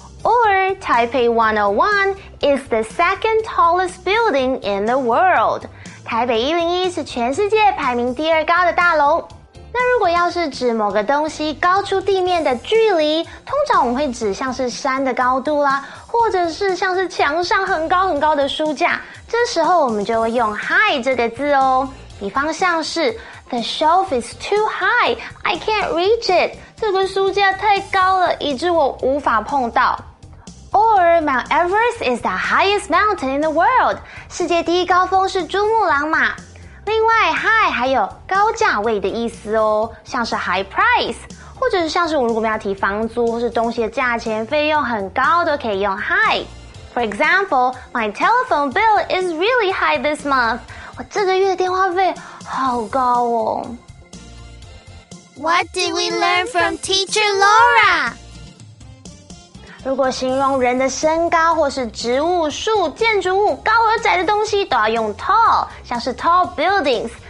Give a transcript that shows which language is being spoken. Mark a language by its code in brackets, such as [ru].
[en] Or Taipei 101 is the second tallest building in the world. [zh] 台北101是全世界排名第二高的大楼。那如果要是指某个东西高出地面的距离，通常我们会指像是山的高度啦，或者是像是墙上很高很高的书架，这时候我们就会用 high 这个字哦。比方像是 [en] The shelf is too high, I can't reach it. [zh] 这个书架太高了，以致我无法碰到。 [en] Or Mount Everest is the highest mountain in the world. [zh] 世界第一高峰是珠穆朗玛。另外 ，high 还有高价位的意思哦，像是 high price， 或者是像是我们如果要提房租或是东西的价钱费用很高，都可以用 high。 [en] For example, my telephone bill is really high this month. [zh] 我这个月的电话费好高哦。 [en] What did we learn from Teacher Laura? [zh] 如果形容人的身高或是植物、树、建筑物高而窄的东西都要用 tall， 像是 tall buildings。